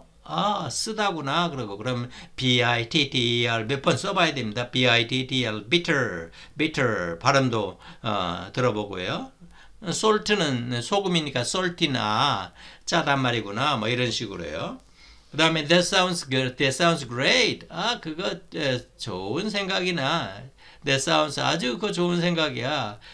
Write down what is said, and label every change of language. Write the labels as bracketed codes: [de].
[ko] 아 쓰다구나 그러고 그럼 BITTER 몇 번 써봐야 됩니다. BITTER bitter 발음도 들어보고요. salt는 소금이니까 salty나 짜단 말이구나 뭐 이런 식으로요. 그 다음에 [en] that sounds good, that sounds great. [ko] 아 그거 좋은 생각이나 that sounds 아주 그 좋은 생각이야.